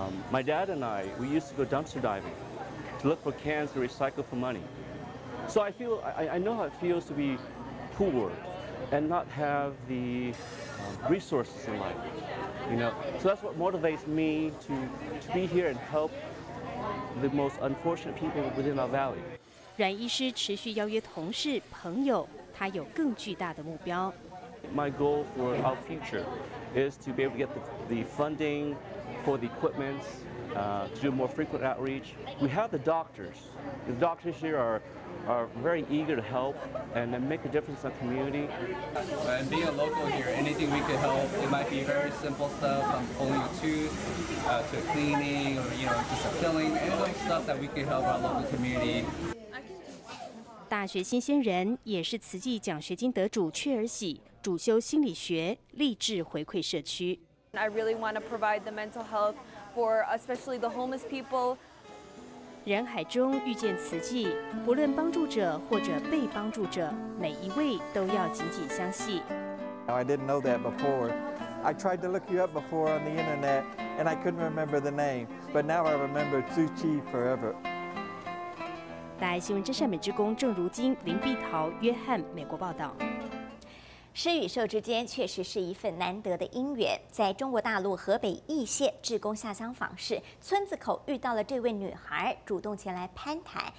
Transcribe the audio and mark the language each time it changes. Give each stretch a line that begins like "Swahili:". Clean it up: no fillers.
English: My dad and I, we used to go dumpster diving to look for cans to recycle for money. So I feel, I know how it feels to be poor and not have the resources in life. You know, so that's what motivates me to be here and help the most unfortunate people within our valley.
Chinese: 阮医师持续邀约同事、朋友，他有更巨大的目标。
English: My goal for our future is to be able to get the funding for the equipment, to do more frequent outreach. We have the doctors. The doctors here are very eager to help and make a difference in the community. And being a local here, anything we could help, it might be very simple stuff, from pulling a tooth, to cleaning, or you know, just a filling, any stuff that we could help our local community.
Chinese: 大学新鲜人，也是慈济奖学金得主阙儿喜，主修心理学，立志回馈社区。
English: I really want to provide the mental health for especially the homeless people.
Chinese: 人海中遇见慈济，不论帮助者或者被帮助者，每一位都要紧紧相系。
English: I didn't know that before. I tried to look you up before on the internet, and I couldn't remember the name. But now I remember Tzu Chi forever.
Chinese: 大爱新闻真善美之工郑如金、林碧桃、约翰，美国报道。施与受之间确实是一份难得的姻缘。在中国大陆河北易县，志工下乡访视村子口，遇到了这位女孩，主动前来攀谈。